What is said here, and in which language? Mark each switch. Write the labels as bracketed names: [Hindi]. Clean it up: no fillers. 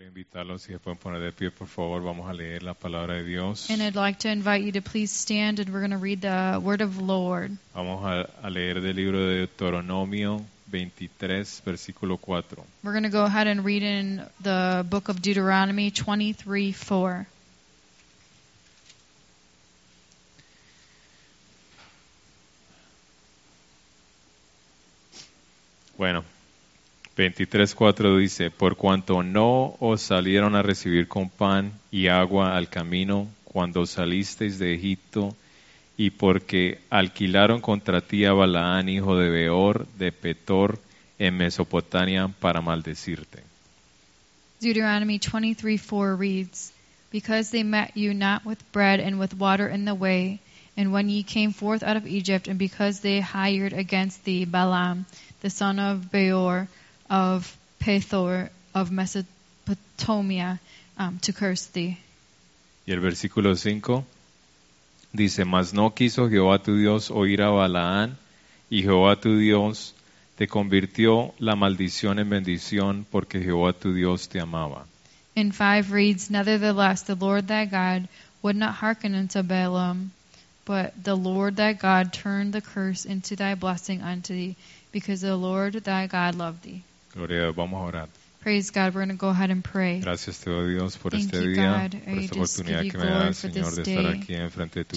[Spanish] invitarlos, si se pueden poner de pie, por favor, vamos a leer la palabra de Dios. [English] And I'd like to invite you to please stand and we're going to read the word of the Lord. [Spanish] Vamos a leer del libro de Deuteronomio 23, versículo 4. [English] We're going to go ahead and read in the book of Deuteronomy 23:4. [Spanish] Bueno, 23:4 dice, por cuanto no os salieron a recibir con pan y agua al camino cuando salisteis de Egipto, y porque alquilaron contra ti a Balaán, hijo de Beor, de Petor, en Mesopotamia, para maldecirte. [English] Deuteronomy 23:4 reads, because they met you not with bread and with water in the way, and when ye came forth out of Egypt, and because they hired against thee Balaam, the son of Beor, of Pethor, of Mesopotamia, to curse thee. [Spanish] Y el versículo 5 dice, mas no quiso Jehová tu Dios oír a Balaán, y Jehová tu Dios te convirtió la maldición en bendición, porque Jehová tu Dios te amaba. [English] In 5 reads, nevertheless, the Lord thy God would not hearken unto Balaam, but the Lord thy God turned the curse into thy blessing unto thee, because the Lord thy God loved thee. [Spanish] Gloria a Dios, vamos a orar. [English] Praise God, we're going to go ahead and pray. [Spanish] Gracias te doy, Dios, por [English] Thank [Spanish] este [English] you, [Spanish] día, [English] God. [Spanish] Por esta oportunidad que me das, Señor, de estar aquí en frente de tu